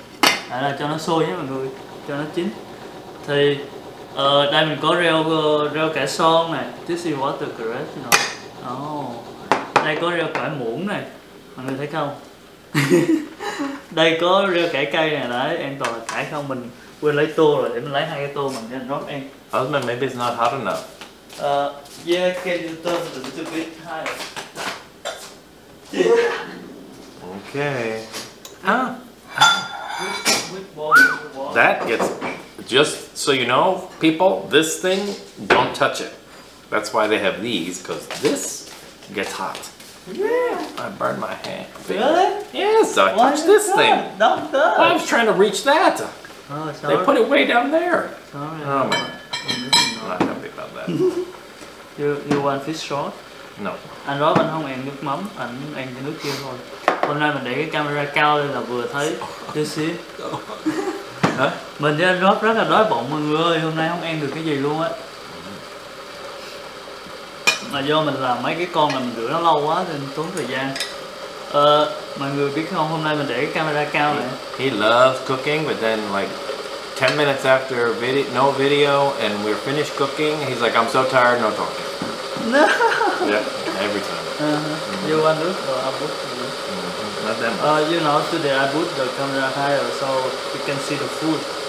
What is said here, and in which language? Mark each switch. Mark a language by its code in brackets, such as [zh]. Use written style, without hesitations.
[vi] Đây là cho nó sôi nhé mọi người. Cho nó chín. Thì đây mình có rau cải son này, [en] this is water carrot, you know. [vi] Oh. Đây có rau cải muỗng này, mọi người thấy không? Đây có rau cải cây này đấy, an toàn là cải không? Mình quên lấy tô rồi, để mình lấy hai cái tô mình nên rót ăn. [en] Husband, maybe it's not hot enough. Yeah, can you turn it a little bit higher? Okay. With water. That gets... Just so you know, people, this thing, don't touch it. That's why they have these, because this gets hot. Yeah. I burned my hand. Really? Yes, I touched this thing. Don't touch. I was trying to reach that. Oh, sorry. They put it way down there. Sorry. Oh, man. I'm not happy about that. you want fish short? No. [vi] Anh Rob, anh không ăn nước mắm, anh ăn cái nước kia thôi. Hôm nay mình để cái camera cao lên là vừa thấy. Chưa xíu. Hả? Mình với anh Rob rất là đói bụng mọi người ơi, hôm nay không ăn được cái gì luôn á. Mà do mình làm mấy cái con mà mình rửa nó lâu quá nên tốn thời gian. Mọi người biết không, hôm nay mình để cái camera cao này. [en] He loves cooking, but then like 10 minutes after no video and we're finished cooking, he's like, I'm so tired, no talking. No. Yeah, every time. You want nước or I'll put you? You know, today I put the camera higher so you can see the food.